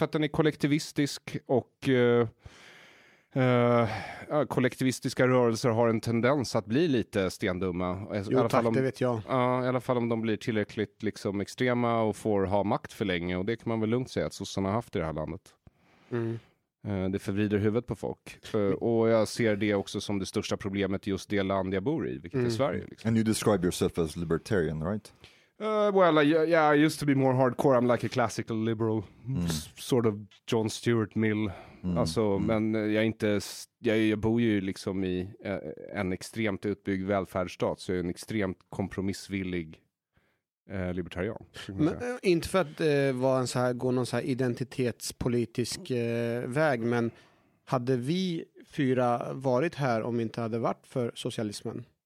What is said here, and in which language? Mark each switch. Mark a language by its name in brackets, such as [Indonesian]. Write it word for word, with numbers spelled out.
[Swedish] Därför att den är kollektivistisk och... Eh, Uh, ja, kollektivistiska rörelser har en tendens att bli lite stendumma. Jo i alla fall tack, om, det vet jag. Ja, uh, i alla fall om de blir tillräckligt liksom, extrema och får ha makt för länge. Och det kan man väl lugnt säga att sossarna har haft i det här landet. Mm. Uh, det förvrider huvudet på folk. Uh, och jag ser det också som det största problemet i just det land jag bor i, vilket mm. är Sverige. Liksom. [English] And you describe yourself as libertarian, right? Uh, well, uh, yeah, I used to be more hardcore. I'm like a classical liberal, mm. s- sort of John Stuart Mill. Mm. Alltså, mm. [Swedish] men jag är inte, jag, jag bor ju liksom i eh, en extremt utbyggd välfärdsstat, så jag är en extremt kompromissvillig eh, libertarian. Men, inte för att eh, vara en så här, gå någon så här identitetspolitisk eh, väg, men hade vi fyra varit här om vi inte hade varit för socialismen?